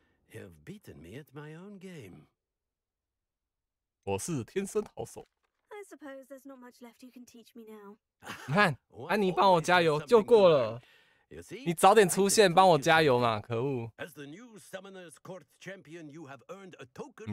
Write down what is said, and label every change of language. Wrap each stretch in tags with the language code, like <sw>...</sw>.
<en>You've beaten me at my own game.</en> <zh>我是天生好手。</zh> <en>I suppose there's not much left you can teach me now.</en> <zh>你看，安妮帮我加油就过了。你早点出现帮我加油嘛！可恶。</zh> <en>As the new summoner's court champion, you have earned a token.</en>